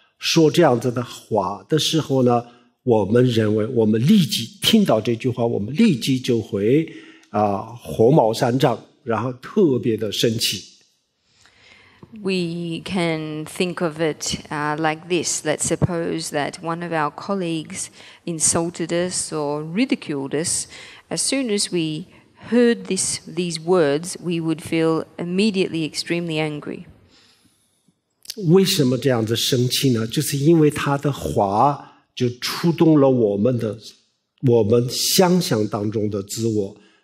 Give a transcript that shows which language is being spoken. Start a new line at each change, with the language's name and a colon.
Chinese: 说这样子的话的时候呢，我们认为我们立即听到这句话，我们立即就会火冒三丈，然后特别的生气。
English: We can think of it like this. Let's suppose that one of our colleagues insulted us or ridiculed us. As soon as we heard these words, we would feel immediately extremely angry.
Chinese: 为什么这样子生气呢？就是因为他的话就触动了我们想象当中的自我。